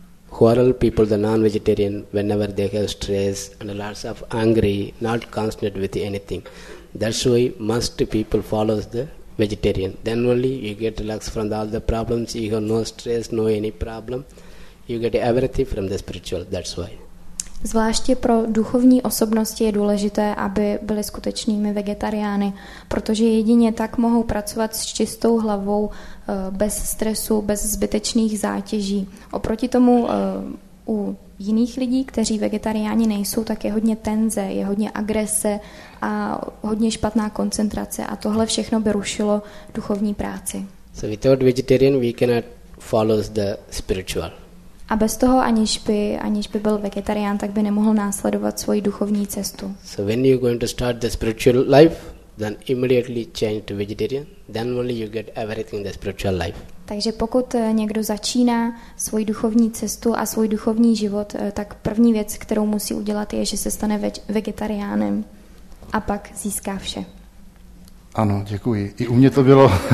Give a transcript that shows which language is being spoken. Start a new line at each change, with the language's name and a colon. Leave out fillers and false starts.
English: Who are all people, the non-vegetarian, whenever they have stress and lots of angry, not concentrated with anything. That's why most people follow the vegetarian. Then only you get relaxed from all the problems, you have no stress, no any problem. You get everything from the spiritual, that's why.
Czech: Zvláště pro duchovní osobnosti je důležité, aby byli skutečnými vegetariány, protože jedině tak mohou pracovat s čistou hlavou, bez stresu, bez zbytečných zátěží. Oproti tomu u jiných lidí, kteří vegetariáni nejsou, tak je hodně tenze, je hodně agrese a hodně špatná koncentrace a tohle všechno by rušilo duchovní práci.
English: So without vegetarian we cannot follow the spiritual.
Czech: A bez toho, aniž by byl vegetarián, tak by nemohl následovat svoji duchovní cestu.
English: So when you going to start the spiritual life, then immediately change to vegetarian, then only you get everything in the spiritual life.
Czech: Takže pokud někdo začíná svoji duchovní cestu a svůj duchovní život, tak první věc, kterou musí udělat, je, že se stane vegetariánem a pak získá vše. Ano, děkuji. I u mě to bylo...